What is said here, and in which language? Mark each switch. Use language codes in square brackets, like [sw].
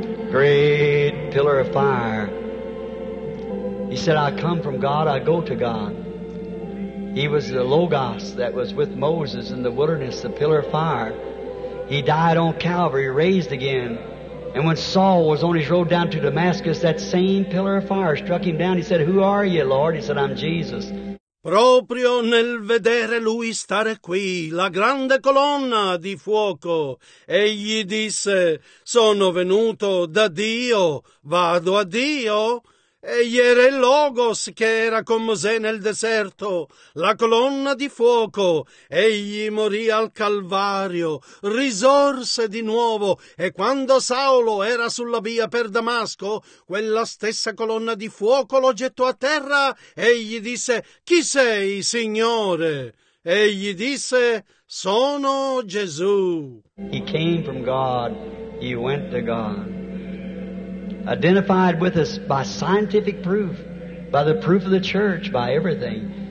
[en] Great pillar of fire. He said, I come from God, I go to God. He was the Logos that was with Moses in the wilderness, the pillar of fire. He died on Calvary, raised again. And when Saul was on his road down to Damascus, that same pillar of fire struck him down. He said, Who are you, Lord? He said, I'm Jesus. [it] Proprio nel vedere lui stare qui, la grande colonna di fuoco, egli disse, Sono venuto da Dio, vado a Dio. Egli era il Logos che era con Mosè nel deserto, la colonna di fuoco. Egli morì al Calvario, risorse di nuovo, e quando Saulo era sulla via per Damasco, quella stessa colonna di fuoco lo gettò a terra, e gli disse, «Chi sei, Signore?» Egli disse, «Sono Gesù». [en] He came from God, he went to God. Identified with us by scientific proof, by the proof of the church, by everything.